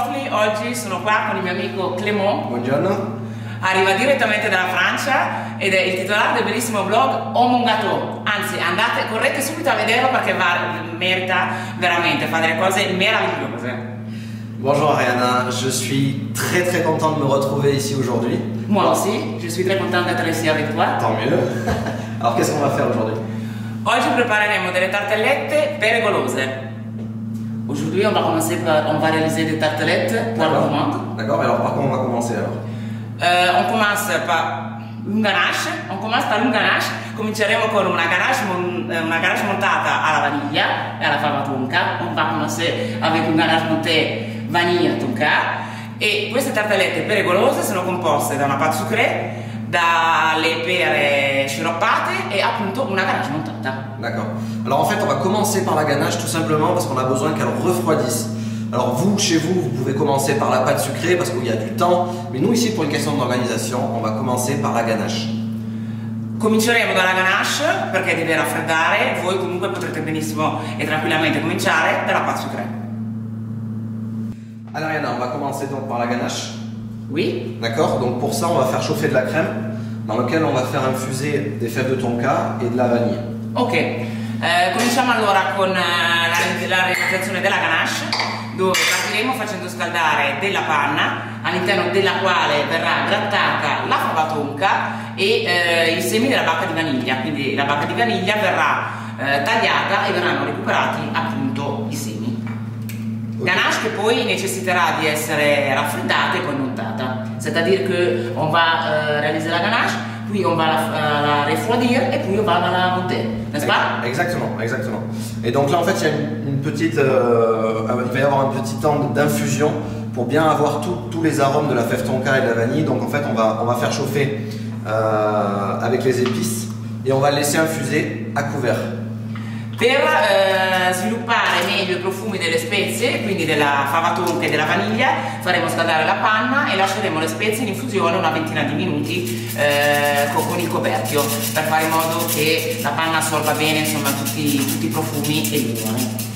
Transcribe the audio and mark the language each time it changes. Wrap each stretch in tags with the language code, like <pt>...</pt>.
<it>oggi sono qua con il mio amico Clément. Buongiorno. Arriva direttamente dalla Francia ed è il titolare del bellissimo blog Omongato. Anzi, andate, correte subito a vederlo perché va, merita veramente, fa delle cose meravigliose.</it> <fr>Bonjour Ariana, je suis très très content de me retrouver ici aujourd'hui. Moi aussi, je suis très content d'être ici avec toi. Tant mieux. Alors qu'est-ce qu'on va faire aujourd'hui?</fr> <it>Oggi prepareremo delle tartellette pérégolose.</it> <fr>Aujourd'hui on va commencer par, on va réaliser des tartellettes pour le moment. D'accord, mais alors par quoi on va commencer alors? On commence par une ganache. On commence par une ganache.</fr> <it>Cominceremo con una ganache montata alla vaniglia e alla farina tonka.</it> <fr>On va commencer avec une ganache montée vaniglia tonka.</fr> <it>E queste tartellette pérégolose sono composte da una pâte sucrée, dalle pere sciroppate e appunto una ganache montata.</it> <fr>D'accord. Alors en fait, on va commencer par la ganache tout simplement parce qu'on a besoin qu'elle refroidisse. Alors vous, chez vous, vous pouvez commencer par la pâte sucrée parce qu'il y a du temps, mais nous ici, pour une question d'organisation, on va commencer par la ganache.</fr> <it>Cominceremo dalla ganache perché deve raffreddare, voi comunque potrete benissimo e tranquillamente cominciare dalla pâte sucrée.</it> <fr>Alors Yana, on va commencer donc par la ganache. Oui. D'accord, donc pour ça on va faire chauffer de la crème dans laquelle on va faire infuser des fèves de tonka et de la vanille.</fr> <it>Ok, cominciamo allora con la realizzazione della ganache, dove partiremo facendo scaldare della panna all'interno della quale verrà grattata la fava tonka e i semi della bacca di vaniglia, quindi la bacca di vaniglia verrà tagliata e verranno recuperati appunto i semi. Okay. Ganache che poi necessiterà di essere raffreddata e poi montata.</it> <fr>C'est à dire</fr> <it>che</it> <fr>on va realizzare la ganache, qui on va la refroidire</fr> <it>e poi</it> <fr>on va la monter, n'est-ce pas? Exactement, exactement. Et donc là en fait il y a une petite il va y avoir un petit temps d'infusion pour bien avoir tous les arômes de la fève tonka et de la vanille. Donc en fait on va faire chauffer avec les épices et on va laisser infuser à couvert.</fr> <it>Per sviluppare meglio i profumi delle spezie, quindi della fava tonka e della vaniglia, faremo scaldare la panna e lasceremo le spezie in infusione una ventina di minuti con il coperchio, per fare in modo che la panna assorba bene insomma tutti i profumi e gli odori.</it>